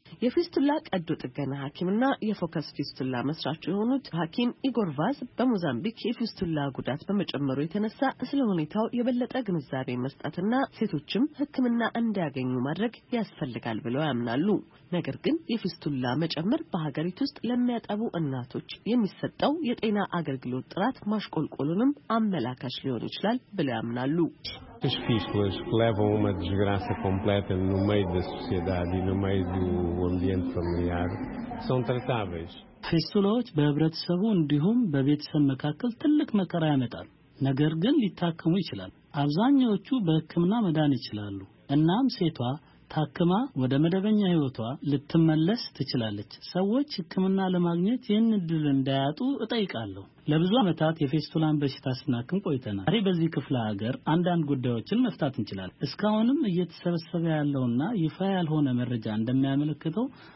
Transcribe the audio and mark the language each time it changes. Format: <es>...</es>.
<am>የፊስቱላ ቀዶ ጥገና ሐኪምና የፎከስ ፊስቱላ መስራች የሆኑት ሐኪም ኢጎር ቫዝ በሞዛምቢክ የፊስቱላ ጉዳት በመጨመሩ የተነሳ ስለ ሁኔታው የበለጠ ግንዛቤ መስጠትና ሴቶችም ሕክምና እንዲያገኙ ማድረግ ያስፈልጋል ብለው ያምናሉ። ነገር ግን የፊስቱላ መጨመር በሀገሪቱ ውስጥ ለሚያጠቡ እናቶች የሚሰጠው የጤና አገልግሎት ጥራት ማሽቆልቆሉንም አመላካች ሊሆን ይችላል ብለው ያምናሉ።</am> <pt>As fístulas levam uma desgraça completa no meio da sociedade e no meio do ambiente familiar, são tratáveis.</pt> <am>ፊስቱላዎች በህብረተሰቡ እንዲሁም በቤተሰብ መካከል ትልቅ መከራ ያመጣል። ነገር ግን ሊታከሙ ይችላል። አብዛኛዎቹ በህክምና መዳን ይችላሉ። እናም ሴቷ ታክማ ወደ መደበኛ ህይወቷ ልትመለስ ትችላለች። ሰዎች ህክምና ለማግኘት ይህን ድል እንዳያጡ እጠይቃለሁ። ለብዙ አመታት የፌስቱላን በሽታ ስናክም ቆይተናል። አሬ በዚህ ክፍለ ሀገር አንዳንድ ጉዳዮችን መፍታት እንችላለን። እስካሁንም እየተሰበሰበ ያለውና ይፋ ያልሆነ መረጃ እንደሚያመለክተው</am>